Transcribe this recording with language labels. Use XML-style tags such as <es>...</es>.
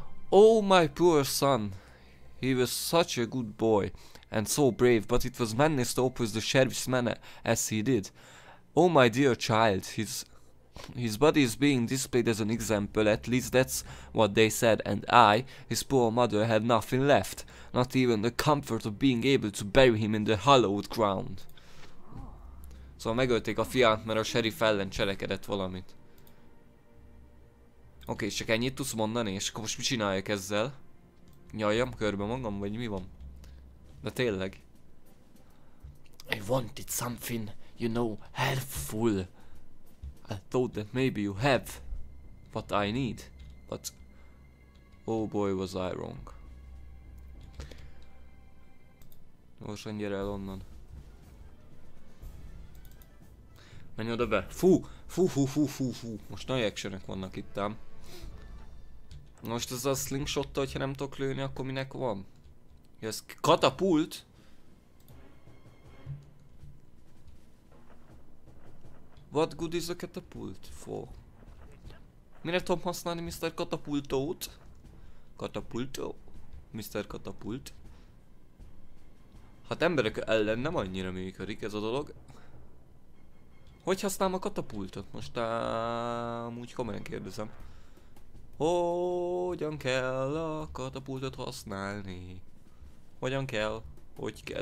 <en>Oh, my poor son. He was such a good boy and so brave, but it was madness to oppose the sheriff's men as he did. Oh, my dear child, his body is being displayed as an example, at least that's what they said, and I, his poor mother, had nothing left, not even the comfort of being able to bury him in the hallowed ground.</en> <hu>Szóval megölték a fiát, mert a sheriff ellen cselekedett valamit. Oké, csak ennyit tudsz mondani, és akkor most mit csináljak ezzel? Nyaljam körbe magam, vagy mi van? De tényleg?</hu> <en>I wanted something, you know, helpful. I thought that maybe you have what I need, but oh boy, was I wrong.</en> <hu>Gyorsan gyere el onnan. Menj oda be. Fú. Most nagy action-ek vannak itt ám. Most ez a slingshot-ta, hogyha nem tudok lőni, akkor minek van? Ez katapult?</hu> <en>What good is a catapult for?</en> <hu>Mire tudom használni Mr. Katapultót? Katapultó? Mr. Katapult? Hát emberek ellen nem annyira működik ez a dolog. Hogy használom a katapultot? Most amúgy komolyan kérdezem. Hogyan kell a katapultot használni? Hogyan kell? Hogy kell?</hu>